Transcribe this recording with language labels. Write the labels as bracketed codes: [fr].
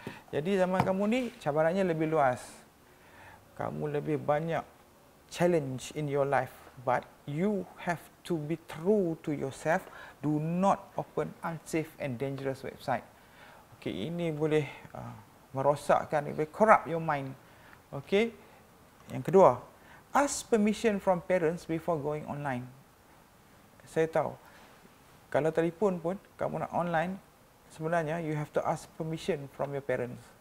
[ms] Jadi zaman kamu ni cabarannya lebih luas. Kamu lebih banyak [en] challenge in your life, but you have to be true to yourself. Do not open unsafe and dangerous website. [ms] Okey, ini boleh merosakkan, boleh [en] corrupt your mind. Okey? [ms] Yang kedua, [en] ask permission from parents before going online. [ms] Saya tahu, kalau telefon pun kamu nak online, sebenarnya [en] you have to ask permission from your parents.